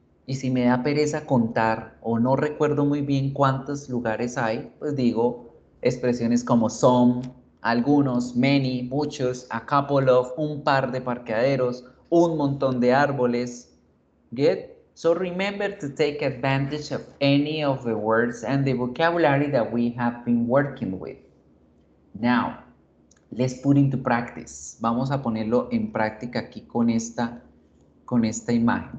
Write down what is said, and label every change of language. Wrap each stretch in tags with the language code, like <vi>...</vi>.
<es>Y si me da pereza contar o no recuerdo muy bien cuántos lugares hay, pues digo expresiones como some, algunos, many, muchos, a couple of, un par de parqueaderos, un montón de árboles.</es> <en>Good? So remember to take advantage of any of the words and the vocabulary that we have been working with. Now, let's put into practice.</en> <es>Vamos a ponerlo en práctica aquí con esta imagen.</es>